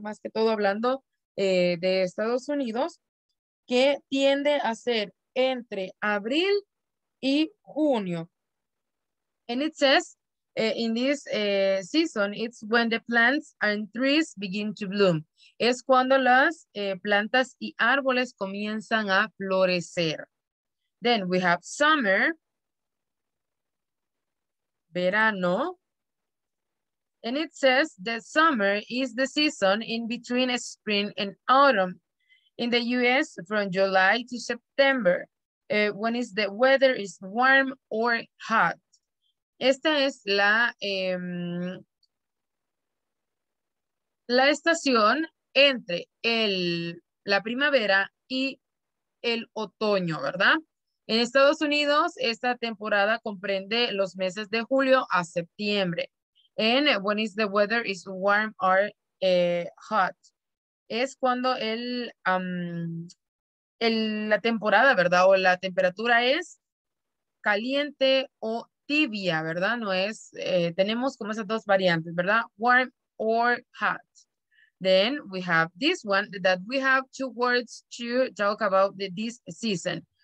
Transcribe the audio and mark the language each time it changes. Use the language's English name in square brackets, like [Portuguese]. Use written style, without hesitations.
[Spanish] Más que todo hablando de Estados Unidos, que tiende a ser entre abril y junio. [English] And it says, in this season, it's when the plants and trees begin to bloom. [Spanish] Es cuando las plantas y árboles comienzan a florecer. [English] Then we have summer, verano. And it says that summer is the season in between spring and autumn in the US from July to September, when is the weather is warm or hot. [Spanish] Esta es la la estación entre la primavera y el otoño, ¿verdad? En Estados Unidos, esta temporada comprende los meses de julio a septiembre. [English] And when is the weather is warm or hot. [Spanish] es cuando el, la temporada, ¿verdad? O la temperatura es caliente o tibia, ¿verdad? No es, tenemos como esas dos variantes, ¿verdad? [English] Warm or hot. Then we have this one that we have two words to talk about this season.